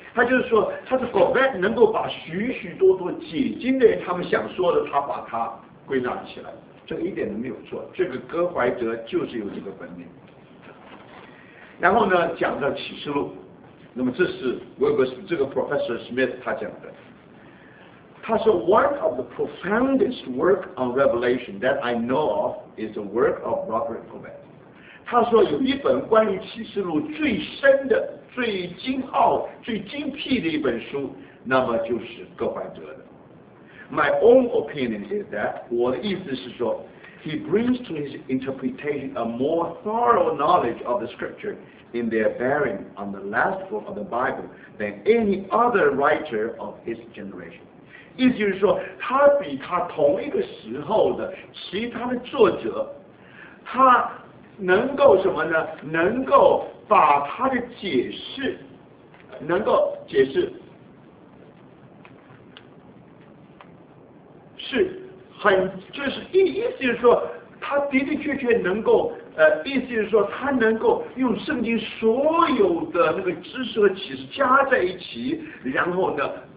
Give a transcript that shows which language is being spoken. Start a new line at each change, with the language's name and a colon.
Chinese: 他就是说，他说 Govett 能够把许许多多解经的人他们想说的，他把它归纳起来，这个一点都没有错。这个哥怀德就是有这个本领。然后呢，讲到启示录，那么这是 Weber 这个 Professor Smith 他讲的。他说
English: One of the profoundest work on Revelation that I know of is the work of Robert Govett。
Chinese: 他说有一本关于启示录最深的、最精奥、最精辟的一本书，那么就是哥怀德的。
English: My own opinion is that,
Chinese: 我的意思是说,
English: he brings to his interpretation a more thorough knowledge of the scripture in their bearing on the last book of the Bible than any other writer of his generation.
Chinese: 意思就是说,他比他同一个时候的其他的作者,他能够什么呢? 能够把他的解释,能够解释是很就是意思就是说他的的确确能够意思就是说他能够用圣经所有的那个知识和启示加在一起，然后呢